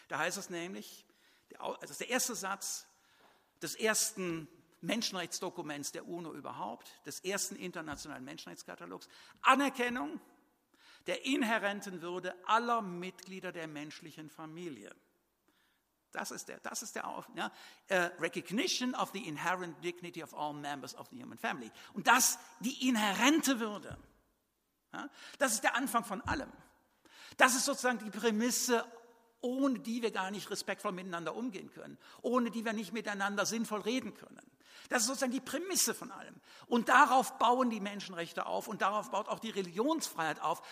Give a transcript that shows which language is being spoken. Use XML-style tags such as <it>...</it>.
<de>Da heißt es nämlich, das ist der erste Satz des ersten Menschenrechtsdokuments der UNO überhaupt, des ersten internationalen Menschenrechtskatalogs, Anerkennung der inhärenten Würde aller Mitglieder der menschlichen Familie.</de> <en>Recognition of the inherent dignity of all members of the human family.</en> <de>Und das, die inhärente Würde, ja, das ist der Anfang von allem. Das ist sozusagen die Prämisse, ohne die wir gar nicht respektvoll miteinander umgehen können, ohne die wir nicht miteinander sinnvoll reden können. Das ist sozusagen die Prämisse von allem. Und darauf bauen die Menschenrechte auf und darauf baut auch die Religionsfreiheit auf.</de>